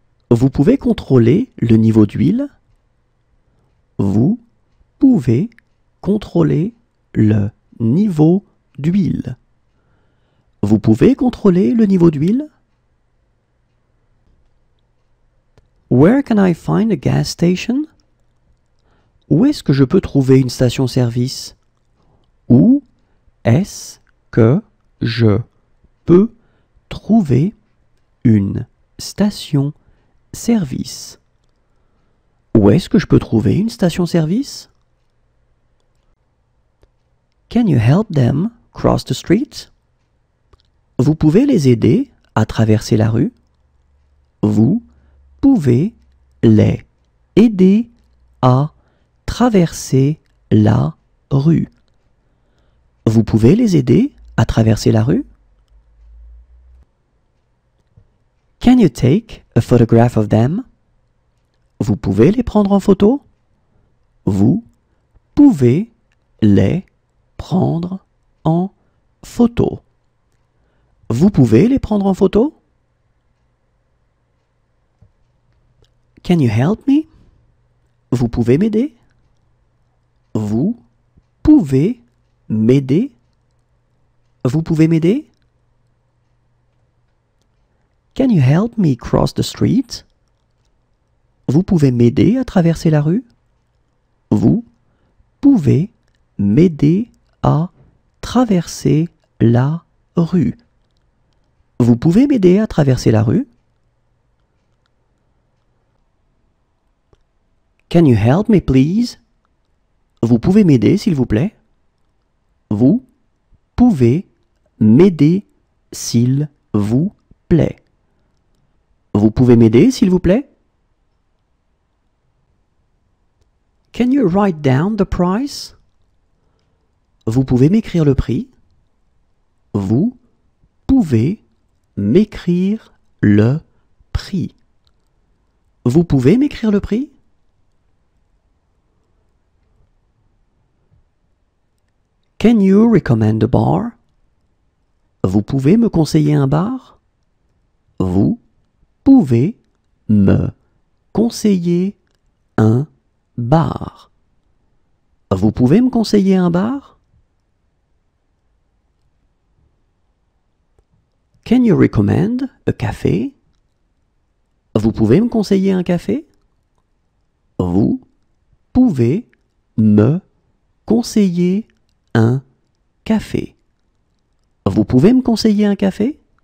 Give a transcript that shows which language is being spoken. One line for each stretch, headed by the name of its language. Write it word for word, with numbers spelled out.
French: Vous pouvez contrôler le niveau d'huile? Vous pouvez contrôler le niveau d'huile. Vous pouvez contrôler le niveau d'huile?
English: Where can I find a gas station?
French: Où est-ce que je peux trouver une station-service? Où est-ce que je peux trouver une station-service? Où est-ce que je peux trouver une station-service?
English: Can you help them cross the street?
French: Vous pouvez les aider à traverser la rue? Vous pouvez les aider à traverser la rue. Vous pouvez les aider à traverser la rue?
English: Can you take a photograph of them?
French: Vous pouvez les prendre en photo? Vous pouvez les prendre en photo. Vous pouvez les prendre en photo?
English: Can you help me?
French: Vous pouvez m'aider? Vous pouvez m'aider? Vous pouvez m'aider?
English: Can you help me cross the street?
French: Vous pouvez m'aider à traverser la rue? Vous pouvez m'aider à traverser la rue. Vous pouvez m'aider à traverser la rue?
English: Can you help me, please?
French: Vous pouvez m'aider, s'il vous plaît? Vous pouvez m'aider, s'il vous plaît. Vous pouvez m'aider, s'il vous plaît?
English: Can you write down the price?
French: Vous pouvez m'écrire le prix? Vous pouvez m'écrire le prix. Vous pouvez m'écrire le prix?
English: Can you recommend a bar?
French: Vous pouvez me conseiller un bar? Vous pouvez me conseiller un bar. Vous pouvez me conseiller un bar?
English: Can you recommend a café?
French: Vous pouvez me conseiller un café? Vous pouvez me conseiller un café. Vous pouvez me conseiller un café?